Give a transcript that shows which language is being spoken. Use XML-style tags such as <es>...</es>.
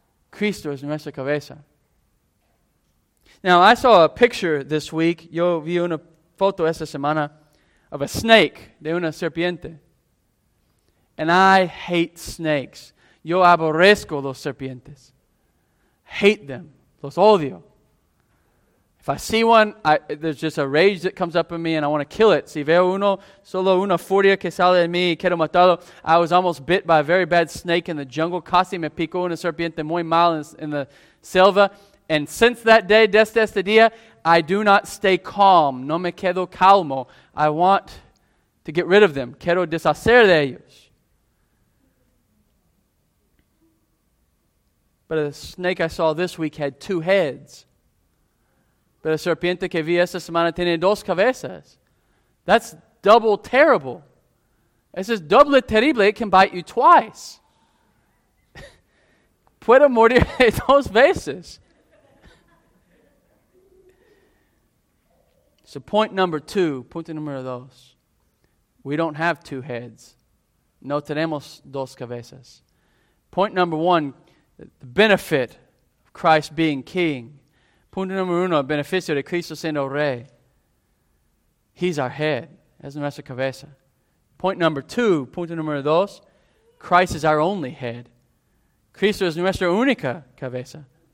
<es>Cristo es nuestra cabeza.</es> <en>Now, I saw a picture this week,</en> <es>yo vi una foto esta semana,</es> <en>of a snake,</en> <es>de una serpiente.</es> <en>And I hate snakes.</en> <es>Yo aborrezco los serpientes.</es> <en>Hate them.</en> <es>Los odio.</es> <en>If I see one, there's just a rage that comes up in me and I want to kill it.</en> <es>Si veo uno, solo una furia que sale de mí, quiero matarlo.</es> <en>I was almost bit by a very bad snake in the jungle.</en> <es>Casi me picó una serpiente muy mal</es> <en>in the selva. And since that day,</en> <es>desde este día,</es> <en>I do not stay calm.</en> <es>No me quedo calmo.</es> <en>I want to get rid of them.</en> <es>Quiero deshacer de ellos.</es> <en>But a snake I saw this week had two heads.</en> <es>Pero la serpiente que vi esta semana tiene dos cabezas.</es> <en>That's double terrible.</en> <es>Es just doble terrible.</es> <en>It can bite you twice.</en> <es>Puede morir dos veces.</es> <en>So point number two,</en> <es>punto número dos.</es> <en>We don't have two heads.</en> <es>No tenemos dos cabezas.</es> <en>Point number one, the benefit of Christ being king.</en> <es>Punto número uno, beneficio de Cristo siendo rey.</es> <en>He's our head.</en> <es>Es nuestra cabeza.</es> <en>Point number two,</en> <es>punto número dos,</es> <en>Christ is our only head.</en> <es>Cristo es nuestra única cabeza.</es>